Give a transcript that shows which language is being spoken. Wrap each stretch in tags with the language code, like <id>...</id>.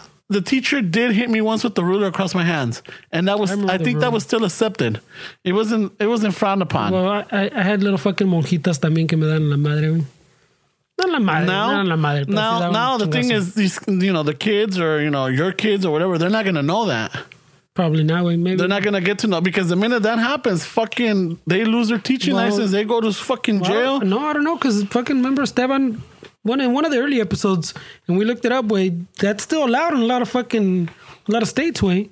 <en>The teacher did hit me once with the ruler across my hands. And that was, I think that was still accepted. It wasn't frowned upon. Well, I had little fucking</en> <es>monjitas también que me dan la madre.</es> <en>Now the thing is, these, you know, the kids or, you know, your kids or whatever, they're not going to know that. Probably not. Maybe. They're not going to get to know, because the minute that happens, fucking, they lose their teaching license. They go to fucking jail. No, I don't know. Cause fucking remember Esteban, in one of the early episodes, and we looked it up, way that's still allowed in a lot of states, way.</en>